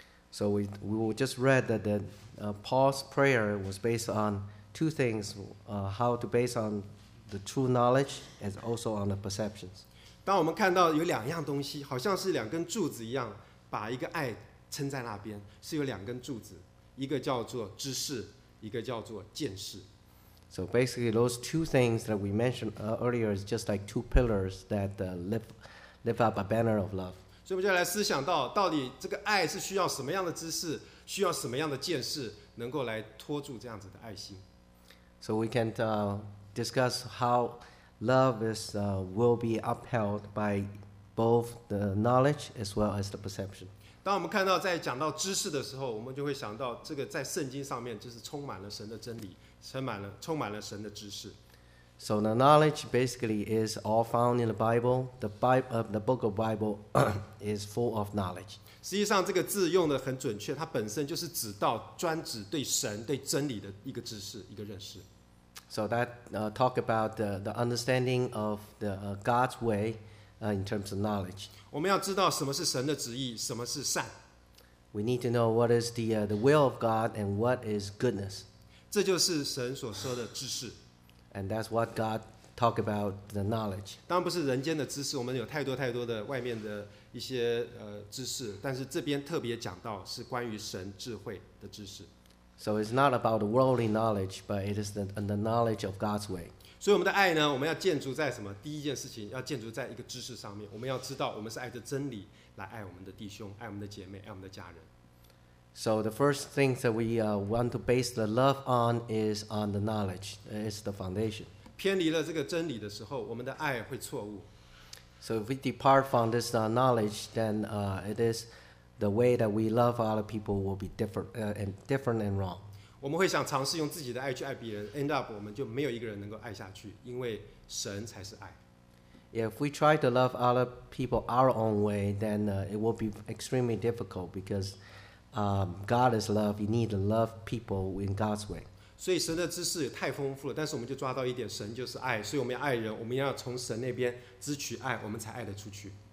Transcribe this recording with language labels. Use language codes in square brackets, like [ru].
[en] So we just read that Paul's prayer was based on two things, how to base on the true knowledge and also on the perceptions. [zh] 当我们看到有两样东西，好像是两根柱子一样，把一个爱撑在那边，是有两根柱子，一个叫做知识，一个叫做见识。 [en] So basically, those two things that we mentioned earlier is just like two pillars that lift up a banner of love. [zh] 所以我们就来思想到底这个爱是需要什么样的知识，需要什么样的见识，能够来托住这样子的爱心。 [en] So we can discuss how love is will be upheld by both the knowledge as well as the perception. [zh] 当我们看到在讲到知识的时候，我们就会想到这个在圣经上面就是充满了神的真理，充满了神的知识。 [en] So the knowledge basically is all found in the Bible. The book of Bible is full of knowledge. [zh] 实际上这个字用的很准确，它本身就是指到专指对神对真理的一个知识，一个认识。 [en] So that talk about the understanding of the God's way in terms of knowledge. [zh] 我们要知道什么是神的旨意，什么是善。 [en] We need to know what is the will of God and what is goodness. [zh] 这就是神所说的知识。 [en] And that's what God talk about the knowledge. [zh] 当然不是人间的知识，我们有太多太多的外面的一些知识，但是这边特别讲到是关于神智慧的知识。 [en] So it's not about the worldly knowledge, but it is the knowledge of God's way. [zh] 所以我们的爱呢，我们要建筑在什么？第一件事情要建筑在一个知识上面。我们要知道我们是爱着真理来爱我们的弟兄，爱我们的姐妹，爱我们的家人。 [en] So the first thing that we want to base the love on is on the knowledge. It's the foundation. [zh] 偏离了这个真理的时候，我们的爱会错误。 [en] So if we depart from this knowledge, then it is the way that we love other people will be different and wrong. [zh] 我们会想尝试用自己的爱去爱别人， [en] end up [zh] 我们就没有一个人能够爱下去，因为神才是爱。 [en] If we try to love other people our own way, then it will be extremely difficult because God is love. You need to love people in God's way. [zh] 所以神的知识也太丰富了，但是我们就抓到一点，神就是爱，所以我们要爱人，我们要从神那边支取爱，我们才爱得出去。